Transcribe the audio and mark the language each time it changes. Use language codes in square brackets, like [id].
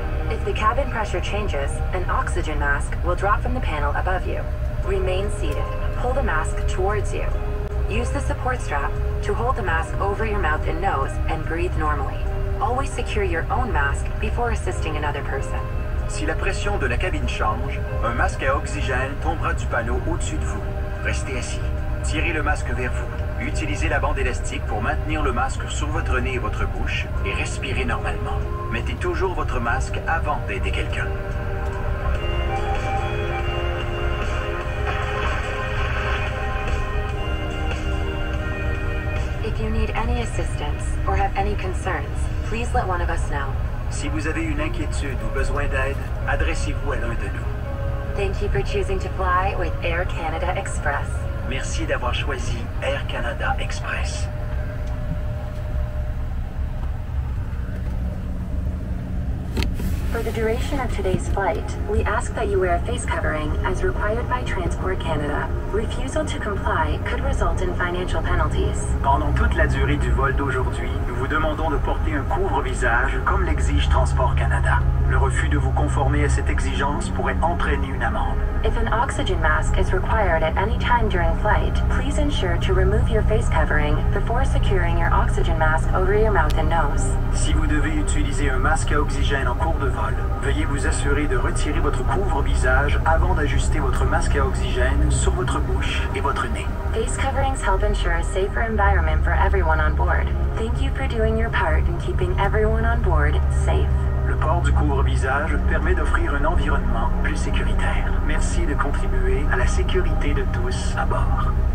[en] If the cabin pressure changes, an oxygen mask will drop from the panel above you. Remain seated. Pull the mask towards you. Use the support strap to hold the mask over your mouth and nose and breathe normally. Always secure your own mask before assisting another person. [fr] Si la pression de la cabine change, un masque à oxygène tombera du panneau au-dessus de vous. Restez assis. Tirez le masque vers vous. Utilisez la bande élastique pour maintenir le masque sur votre nez et votre bouche et respirez normalement. Mettez toujours votre masque avant d'aider quelqu'un. [en] If you need any assistance or have any concerns, please let one of us know. [fr] Si vous avez une inquiétude ou besoin d'aide, adressez-vous à l'un de nous. [en] Thank you for choosing to fly with Air Canada Express. [fr] Merci d'avoir choisi Air Canada Express. [en] For the duration of today's flight, we ask that you wear a face covering as required by Transport Canada. Refusal to comply could result in financial penalties. [fr] Pendant toute la durée du vol d'aujourd'hui, nous vous demandons de porter un couvre-visage comme l'exige Transport Canada. Le refus de vous conformer à cette exigence pourrait entraîner une amende. [en] If an oxygen mask is required at any time during flight, please ensure to remove your face covering before securing your oxygen mask over your mouth and nose. [fr] Si vous devez utiliser un masque à oxygène en cours de vol, veuillez vous assurer de retirer votre couvre-visage avant d'ajuster votre masque à oxygène sur votre bouche et votre nez. [en] Face coverings help ensure a safer environment for everyone on board. Thank you for doing your part in keeping everyone on board safe. [fr] Le port du couvre-visage permet d'offrir un environnement plus sécuritaire. Merci de contribuer à la sécurité de tous à bord.